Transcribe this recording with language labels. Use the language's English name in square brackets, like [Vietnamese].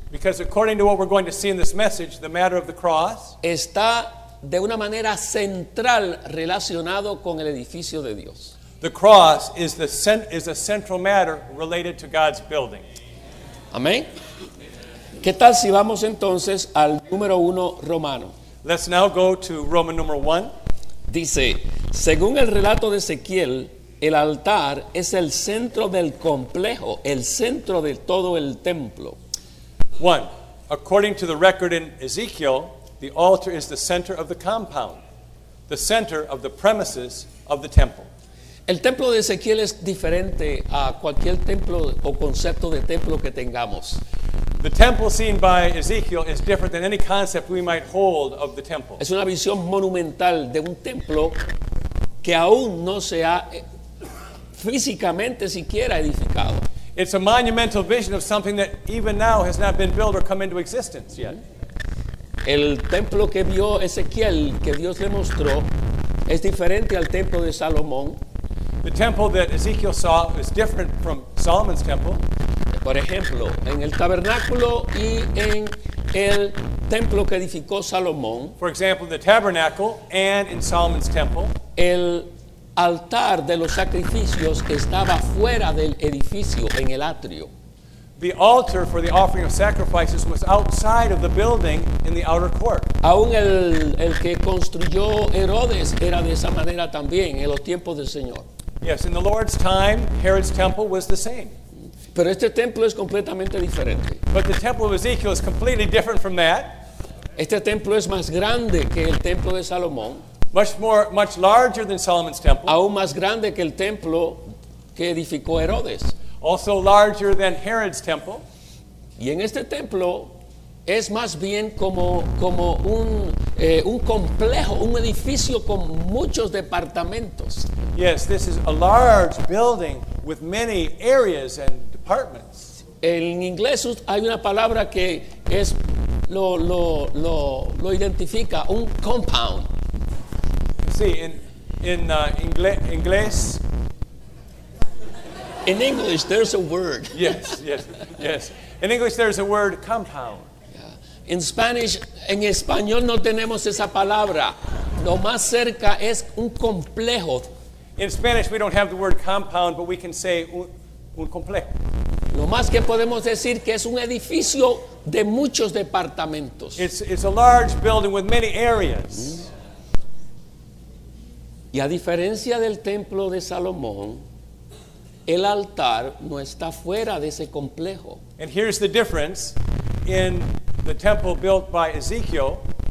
[English] because according to what we're going to see in this message, the matter of the cross, [Spanish] está de una manera central relacionado con el edificio de Dios. [English] The cross is the is a central matter related to God's building. [Spanish] Amén. ¿Qué tal si vamos entonces al número uno romano? [English] Let's now go to Roman number one. [Spanish] Dice, según el relato de Ezequiel, el altar es el centro del complejo, el centro de todo el templo. [English] One, according to the record in Ezekiel, the altar is the center of the compound, the center of the premises of the temple. [Spanish] El templo de Ezequiel es diferente a cualquier templo o concepto de templo que tengamos. [English] The temple seen by Ezekiel is different than any concept we might hold of the temple. [Spanish] Es una visión monumental de un templo que aún no se ha físicamente siquiera edificado. [English] It's a monumental vision of something that even now has not been built or come into existence yet. [Spanish] El templo que vio Ezequiel, que Dios le mostró, es diferente al templo de Salomón. [English] The temple that Ezekiel saw is different from Solomon's temple. [Spanish] Por ejemplo, en el tabernáculo y en el templo que edificó Salomón. [English] For example, the tabernacle and in Solomon's temple. [Spanish] El altar de los sacrificios estaba fuera del edificio, en el atrio. [English] The altar for the offering of sacrifices was outside of the building in the outer court. [Spanish] Aún el que construyó Herodes era de esa manera también en los tiempos del Señor. [English] Yes, in the Lord's time, Herod's temple was the same. [Spanish] Pero este templo es completamente diferente. [English] But the temple of Ezekiel is completely different from that. [Spanish] Este templo es más grande que el templo de Salomón. [English] Much larger than Solomon's temple. [Spanish] Aún más grande que el templo que edificó Herodes. [English] Also larger than Herod's temple. [Spanish] Y en este templo es más bien como un complejo, un edificio con muchos departamentos. [English] Yes, this is a large building with many areas and departments. [Spanish] En inglés hay una palabra que es lo identifica, un compound. Sí, inglés. [English] In English, there's a word. Yes. In English, there's a word, compound. Yeah. In Spanish, [Spanish] en español no tenemos esa palabra. Lo más cerca es un complejo. [English] In Spanish, we don't have the word compound, but we can say un complejo. [Spanish] Lo más que podemos decir que es un edificio de muchos departamentos. [English] It's a large building with many areas. [Spanish] Y a diferencia del templo de Salomón, el altar no está fuera de ese complejo. [English] And here's the difference in the temple built by Ezekiel.